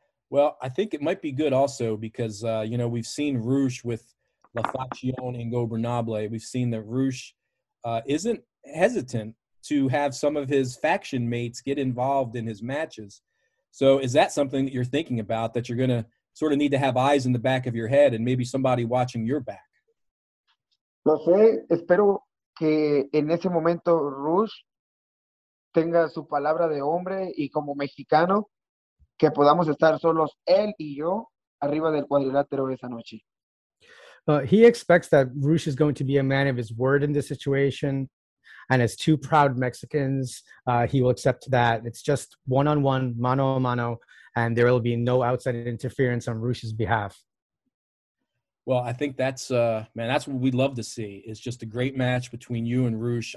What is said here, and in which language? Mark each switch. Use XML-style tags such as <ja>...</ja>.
<en>Well, I think it might be good also because, you know, we've seen Rush with La Faction and Gobernable. We've seen that Rush isn't hesitant to have some of his faction mates get involved in his matches. So is that something that you're thinking about, that you're going to sort of need to have eyes in the back of your head and maybe somebody watching your back?</en> <es>No sé. Espero que en ese momento Rush tenga su palabra de hombre y como mexicano, que podamos estar solos él y yo arriba del cuadrilátero esa noche.</es> <en>He expects that Rush is going to be a man of his word in this situation. and as two proud Mexicans, he will accept that. It's just one-on-one, mano a mano, and there will be no outside interference on Roosh's behalf. Well, I think that's, man, that's what we'd love to see, is just a great match between you and Roosh.</en>